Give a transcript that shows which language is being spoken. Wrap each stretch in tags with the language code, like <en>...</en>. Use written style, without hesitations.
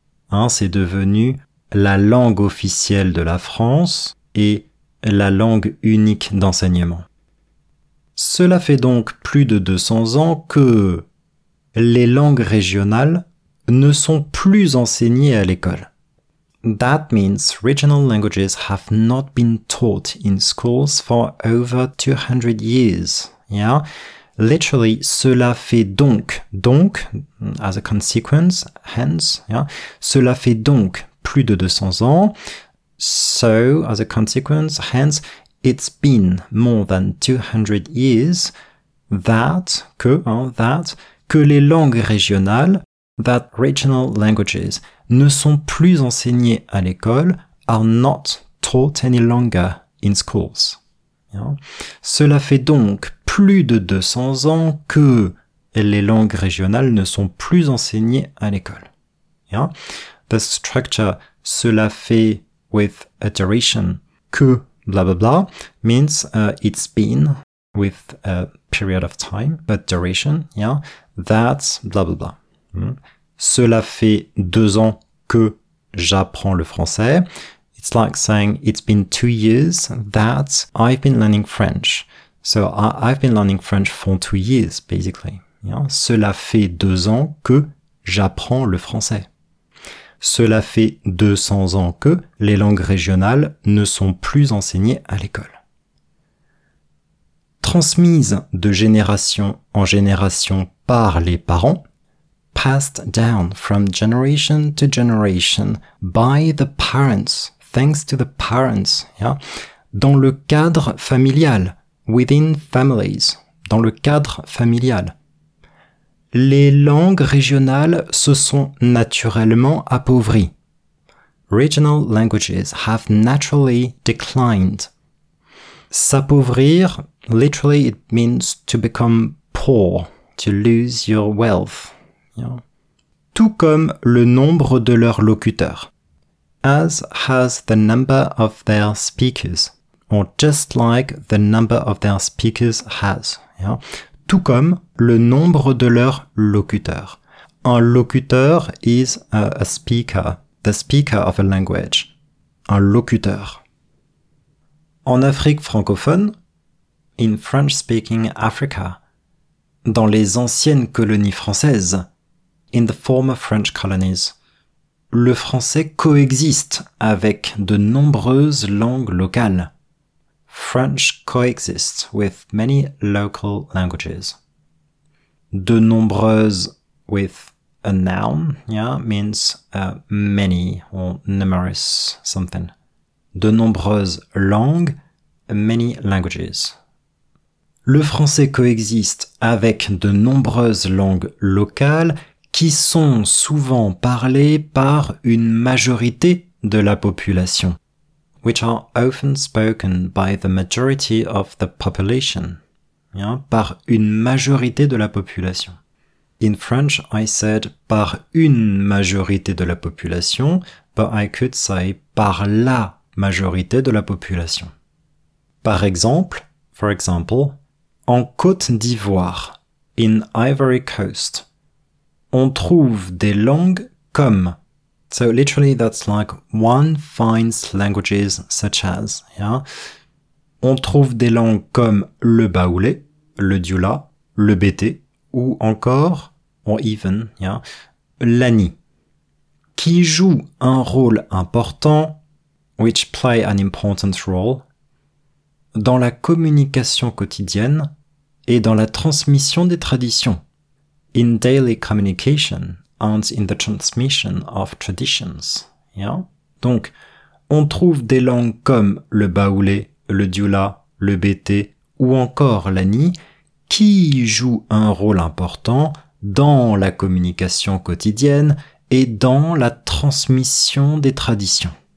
<fr>Hein, c'est devenu la langue officielle de la France et la langue unique d'enseignement. Cela fait donc plus de 200 ans que les langues régionales ne sont plus enseignées à l'école.</fr> <en>That means regional languages have not been taught in schools for over 200 years. Yeah? Literally,</en> <fr>cela fait donc,</fr> <en>as a consequence, hence, yeah?</en> <fr>Cela fait donc plus de 200 ans.</fr> <en>So, as a consequence, hence, it's been more than 200 years that,</en> <fr>que les langues régionales</fr> <en>that regional languages</en> <fr>ne sont plus enseignées à l'école,</fr> <en>are not taught any longer in schools.</en> <fr>Cela fait donc plus de 200 ans que les langues régionales ne sont plus enseignées à l'école.</fr> <en>The structure, cela fait with a duration, que blah blah blah, means it's been with a period of time, but duration, that's blah blah blah.</en> <fr>Cela fait 2 ans que j'apprends le français.</fr> <en>It's like saying it's been 2 years that I've been learning French. So I've been learning French for 2 years, basically.</en> <fr>Cela fait 2 ans que j'apprends le français. Cela fait 200 ans que les langues régionales ne sont plus enseignées à l'école. Transmises de génération en génération par les parents,</fr> <en>passed down from generation to generation by the parents, thanks to the parents,</en> <fr>dans le cadre familial,</fr> <en>within families,</en> <fr>dans le cadre familial. Les langues régionales se sont naturellement appauvries.</fr> <en>Regional languages have naturally declined. S'appauvrir, literally it means to become poor, to lose your wealth.</en> <fr>Tout comme le nombre de leurs locuteurs.</fr> <en>As has the number of their speakers. Or just like the number of their speakers has.</en> <fr>Tout comme le nombre de leurs locuteurs. Un locuteur</fr> <en>is a speaker, the speaker of a language.</en> <fr>Un locuteur. En Afrique francophone,</fr> <en>in French-speaking Africa,</en> <fr>dans les anciennes colonies françaises,</fr> <en>in the former French colonies,</en> <fr>le français coexiste avec de nombreuses langues locales.</fr> <en>French coexists with many local languages. De nombreuses with a noun, means many or numerous something.</en> <fr>De nombreuses langues,</fr> <en>many languages.</en> <fr>Le français coexiste avec de nombreuses langues locales qui sont souvent parlées par une majorité de la population.</fr> <en>Which are often spoken by the majority of the population.</en> <fr>Par une majorité de la population.</fr> <en>In French, I said</en> <fr>par une majorité de la population,</fr> <en>but I could say</en> <fr>par la majorité de la population. Par exemple,</fr> <en>for example,</en> <fr>en Côte d'Ivoire,</fr> <en>in Ivory Coast,</en> <fr>on trouve des langues comme.</fr> <en>So literally that's like one finds languages such as.</en> <fr>On trouve des langues comme le baoulé, le dioula, le bété, ou encore,</fr> <en>or even,</en> <fr>l'ani, qui joue un rôle important,</fr> <en>which play an important role,</en> <fr>dans la communication quotidienne et dans la transmission des traditions.</fr> <en>In daily communication and in the transmission of traditions.</en> <fr>Donc, on trouve des langues comme le baoulé, le dioula, le bété ou encore l'ani qui jouent un rôle important dans la communication quotidienne et dans la transmission des traditions.</fr>